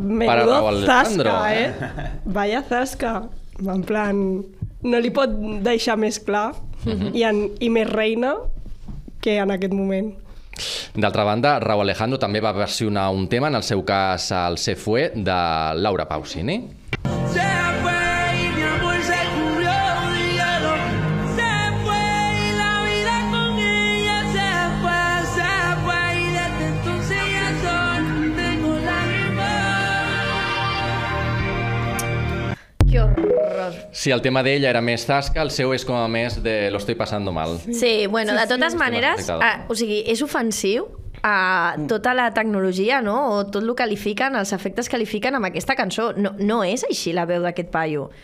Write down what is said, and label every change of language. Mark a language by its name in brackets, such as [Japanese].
[Spanish] Menudo zasca, Vaya zasca. [Catalan] En plan, no li pot deixar més clar i més reina que en aquest moment. D'altra banda, Rauw Alejandro també va versionar un tema, en el seu cas el Se Fue, de Laura Pausini. [Spanish] Se fue y mi amor se cubrió un hielo. Se fue y la vida con ella se fue. Se fue y desde entonces ya solo tengo la vida. [Catalan] Que horror. Si el tema d'ella era més tasca, el seu és com a més de [Spanish] lo estoy pasando mal. [Catalan] Sí, bueno, de totes maneres, o sigui, és ofensiu a tota la tecnologia, no? O tot lo que li fiquen, els efectes que li fiquen amb aquesta cançó. No és així la veu d'aquest paio.